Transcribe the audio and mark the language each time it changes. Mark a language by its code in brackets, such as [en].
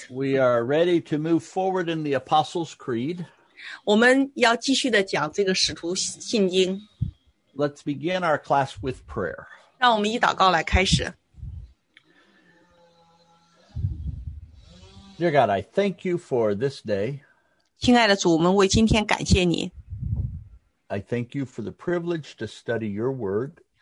[en] We are ready to move forward in the Apostles' Creed. [zh] 我们要继续地讲这个使徒信经。 [en] Let's begin our class with prayer. [zh] 让我们以祷告来开始。 [en] Dear God, I thank you for this day. [zh] 亲爱的主，我们为今天感谢你。 [en] I thank you for the privilege to study your word.